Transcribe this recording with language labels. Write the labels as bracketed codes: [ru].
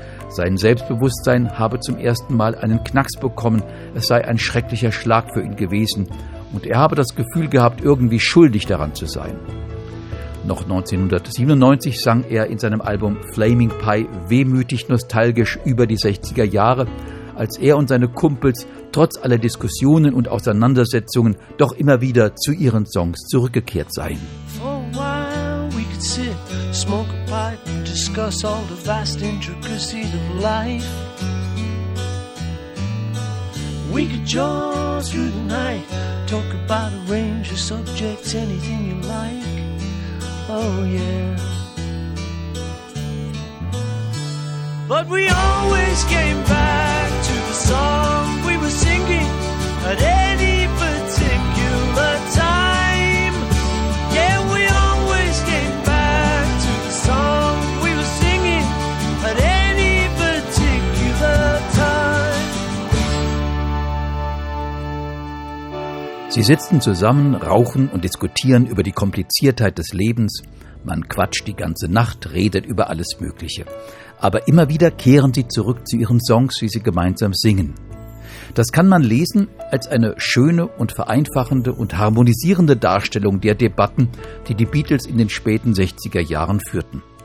[de] Sein Selbstbewusstsein habe zum ersten Mal einen Knacks bekommen, es sei ein schrecklicher Schlag für ihn gewesen und er habe das Gefühl gehabt, irgendwie schuldig daran zu sein. Noch 1997 sang er in seinem Album Flaming Pie wehmütig nostalgisch über die 60er Jahre, als er und seine Kumpels trotz aller Diskussionen und Auseinandersetzungen doch immer wieder zu ihren Songs zurückgekehrt seien. [en] For a while we could sit, smoke a pipe and discuss all the vast intricacies of life. We could jaw through the night, talk about a range of subjects, anything you like, oh yeah. But we always came back to the song we were singing at any particular time. Yeah, we always came back to the song we were singing at any particular time. [de] Sie sitzen zusammen, rauchen und diskutieren über die Kompliziertheit des Lebens. Man quatscht die ganze Nacht, redet über alles Mögliche. Aber immer wieder kehren sie zurück zu ihren Songs, wie sie gemeinsam singen. Das kann man lesen als eine schöne und vereinfachende und harmonisierende Darstellung der Debatten, die die Beatles in den späten 60er Jahren führten.